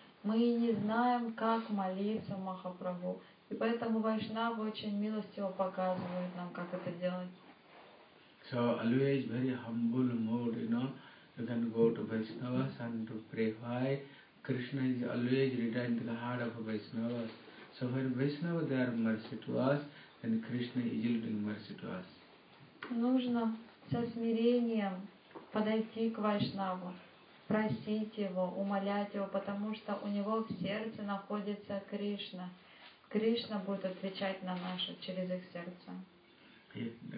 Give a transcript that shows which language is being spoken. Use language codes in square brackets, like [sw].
[ru] Мы не знаем, как молиться Махапрабху. И поэтому Вайшнава очень милостиво показывает нам, как это делать. [en] So always very humble mood, you know, you can go to Vaishnavas and to pray why Krishna is always returned to the heart of Vaishnavas. So when Vaishnava they are mercy to us, then Krishna is yielding mercy to us. [ru] Нужно со смирением подойти к Вайшнаву, просить его, умолять его, потому что у него в сердце находится Кришна. Кришна будет отвечать на наше через их сердце.